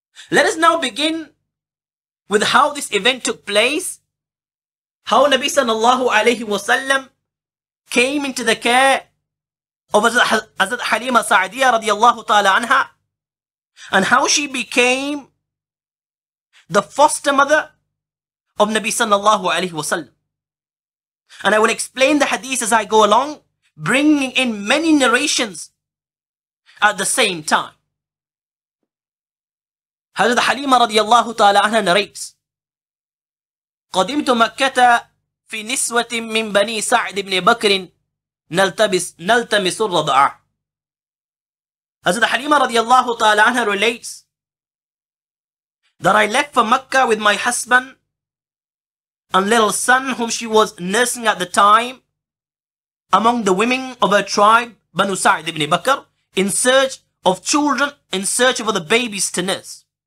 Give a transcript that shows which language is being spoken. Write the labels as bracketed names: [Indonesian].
[English] Let us now begin with how this event took place, how Nabi sallallahu alayhi wa sallam came into the care of Hazrat Halima Sa'diya radiyallahu ta'ala anha, and how she became the foster mother of Nabi sallallahu alayhi wa sallam. And I will explain the hadith as I go along, bringing in many narrations at the same time. Hazrat Halima radiyallahu ta'ala anha narrates, [Arabic] قدمت مكة في نسوة من بني سعد بن بكر نلتمس الرضاعة. [English] Hazrat Halima radiyallahu ta'ala anha relates that I left for Mecca with my husband and little son whom she was nursing at the time among the women of her tribe Banu Sa'd ibn Bakr in search of children, in search of other babies to nurse.